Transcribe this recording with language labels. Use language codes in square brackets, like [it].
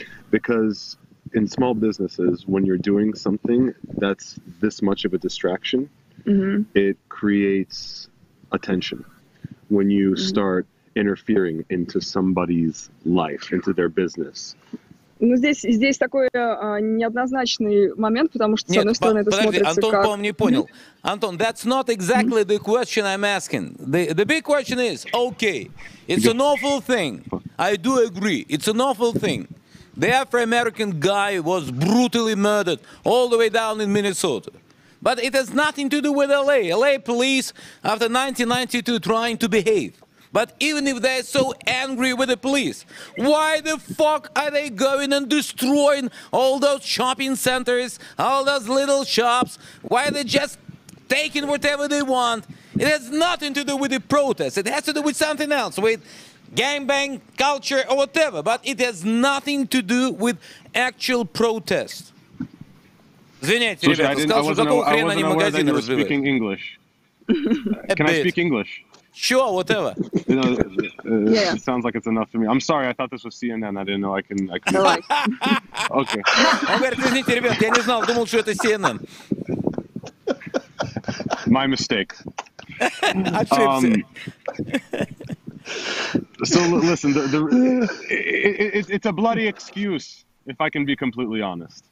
[en] Because in small businesses, when you're doing something that's this much of a distraction, it creates attention. When you start interfering into somebody's life, into their business. [ru] Ну, здесь такой неоднозначный момент, потому что, нет, с одной стороны, это подожди, смотрится Антон, как... Антон, по-моему, не понял. [en] Антон, that's not exactly the question I'm asking. The big question is, okay, it's an awful thing. I do agree. It's an awful thing. The Afro-American guy was brutally murdered all the way down in Minnesota. But it has nothing to do with LA. LA police, after 1992, trying to behave. But even if they're so angry with the police, why the fuck are they going and destroying all those shopping centers, all those little shops? Why are they just taking whatever they want? It has nothing to do with the protests. It has to do with something else, with gangbang culture or whatever. But it has nothing to do with actual protests. [ru] Извините, ребята, сказал, что какого хрена они магазины разбивают. [en] I wasn't aware that you were speaking English. Can I speak English? Sure, whatever. You know, yeah. It sounds like it's enough for me. I'm sorry, I thought this was CNN. I didn't know I can... Okay. [ru] Он говорит, извините, ребят, я не знал, думал, что это CNN. [en] My mistake. [ru] Ошибся. [en] So, listen, it's a bloody excuse, if I can be completely honest.